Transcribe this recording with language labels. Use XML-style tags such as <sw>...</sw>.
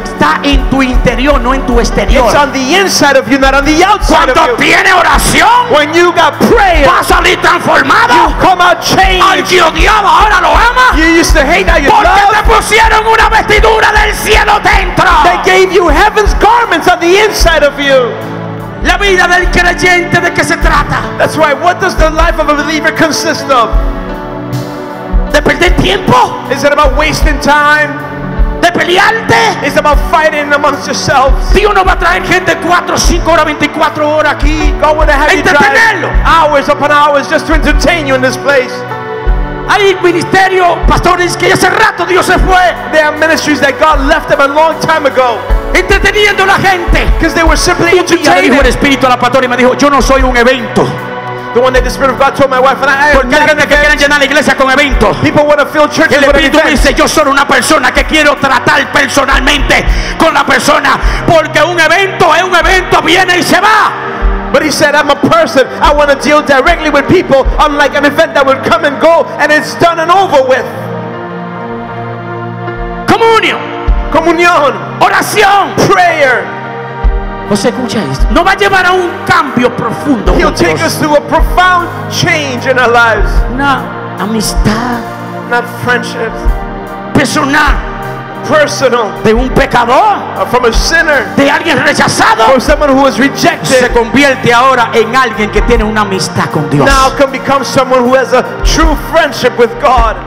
<es>Está en tu interior, no en tu exterior.</es> <en>It's on the inside of you, not on the outside.</en> <es>Cuando</es> <en>of you.</en> <es>Tiene oración.</es> <en>When you got prayer.</en> <es>Va a salir transformado.</es> <en>You come out changed.</en> <es>Al que odiaba, ahora lo ama.</es> <en>You used to hate, now you</en> <es>porque</es> <en>love.</en> <es>Porque te pusieron una vestidura del cielo dentro.</es> <en>They gave you heaven's garments on the inside of you.</en> <es>La vida del creyente, ¿de qué se trata?</es> <en>That's right. What does the life of a believer consist of?</en> <es>¿De perder tiempo?</es> <en>Is it about wasting time?</en> <es>¿De pelearte?</es> <en>Is it about fighting amongst yourselves?</en> <es>Dios no va a traer gente 4, 5 horas, 24 horas aquí.</es> <en>God would have you drive hours upon hours just to entertain you in this place.</en> <es>Hay ministerio, pastores, que hace rato Dios se fue.</es> <en>There are ministries that God left them a long time ago.</en> <es>Entreteniendo la gente.</es> <en>Because they were simply entertaining.</en> <es>Dijo el Espíritu a la pastora y me dijo, yo no soy un evento.</es> <en>The one that the Spirit of God told my wife and I.</en> <es>Porque hay gente que quieren llenar la iglesia con eventos.</es> <en>People want to fill churches with events.</en> <es>El Espíritu dice, yo soy una persona que quiero tratar personalmente con la persona, porque un evento es un evento, viene y se va.</es> <en>But he said, I'm a person. I want to deal directly with people, unlike an event that will come and go and it's done and over with.</en> <es>Comunión. Comunión. Oración.</es> <en>Prayer.</en> <es>José, escucha esto. No va a llevar a un cambio profundo.</es> <en>He'll take us through a profound change in our lives.</en> <es>Una amistad.</es> <en>Not friendship.</en> <es>Personal.</es> <en>Personal.</en> <es>De un pecador.</es> <en>From a sinner.</en> <es>De alguien rechazado.</es> <en>From someone who was rejected.</en> <es>Se convierte ahora en alguien que tiene una amistad con Dios.</es> <en>Now can become someone who has a true friendship with God.</en>